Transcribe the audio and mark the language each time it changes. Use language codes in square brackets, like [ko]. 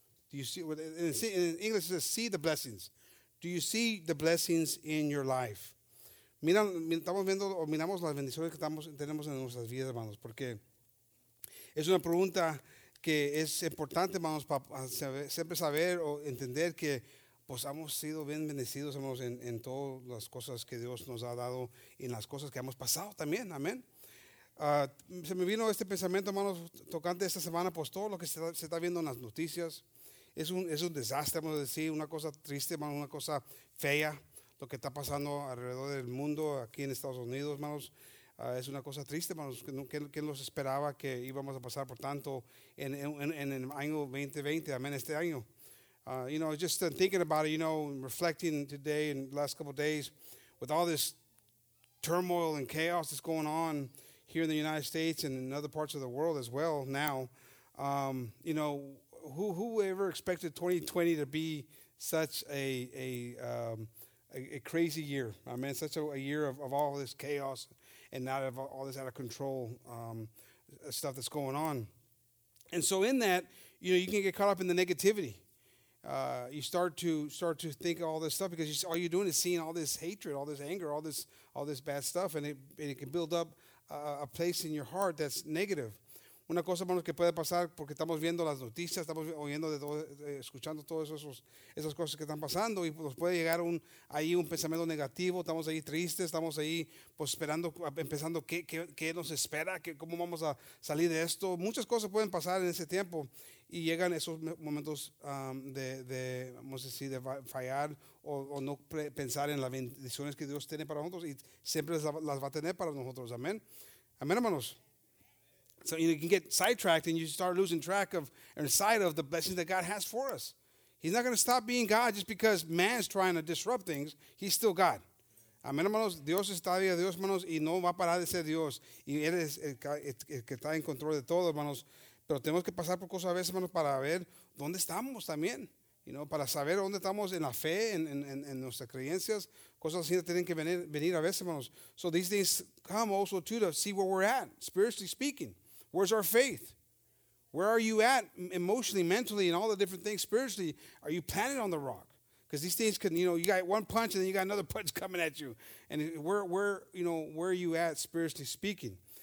[en] Do you see, in English it says, see the blessings. Do you see the blessings in your life? [es] Estamos viendo o miramos las bendiciones que tenemos en nuestras vidas, hermanos, porque es una pregunta que es importante, hermanos, para siempre saber o entender que pues hemos sido bien bendecidos, hermanos, en todas las cosas que Dios nos ha dado y en las cosas que hemos pasado también, amén. Se me vino este pensamiento, hermanos, tocante esta semana, pues todo lo que se está viendo en las noticias. Es un desastre, vamos a decir, una cosa triste, hermanos, una cosa fea, lo que está pasando alrededor del mundo, aquí en Estados Unidos, hermanos, es una cosa triste, hermanos, ¿quién los esperaba que íbamos a pasar por tanto en el año 2020, amén, este año? [en] You know, just thinking about it, you know, reflecting today and the last couple of days, with all this turmoil and chaos that's going on here in the United States and in other parts of the world as well now, you know, Who ever expected 2020 to be such a crazy year? I mean, such a year of all this chaos and not of all this out of control stuff that's going on. And so in that, you know, you can get caught up in the negativity. You start to think of all this stuff because all you're doing is seeing all this hatred, all this anger, all this bad stuff, and it can build up a place in your heart that's negative. [es] Una cosa, hermanos, que puede pasar porque estamos viendo las noticias, estamos oyendo de todo, escuchando todas esas cosas que están pasando y nos puede llegar un pensamiento negativo, estamos ahí tristes, estamos ahí pues esperando, empezando qué nos espera, cómo vamos a salir de esto. Muchas cosas pueden pasar en ese tiempo y llegan esos momentos de fallar o no pensar en las bendiciones que Dios tiene para nosotros y siempre las va a tener para nosotros. Amén. Amén, hermanos. [en] So you can get sidetracked and you start losing track of or sight of the blessings that God has for us. He's not going to stop being God just because man's trying to disrupt things. He's still God. [es] Amén, hermanos. Dios es todavía Dios, hermanos, y no va a parar de ser Dios. Y Él es el que está en control de todo, hermanos. Pero tenemos que pasar por cosas a veces, hermanos, para ver dónde estamos también. [en] You know, [es] para saber dónde estamos en la fe, en nuestras creencias. Cosas así tienen que venir a veces, hermanos. [en] So these things come also to see where we're at, spiritually speaking. Where's our faith? Where are you at emotionally, mentally, and all the different things spiritually? Are you planted on the rock? Because these things can, you know, you got one punch and then you got another punch coming at you. And where you know, where are you at spiritually speaking?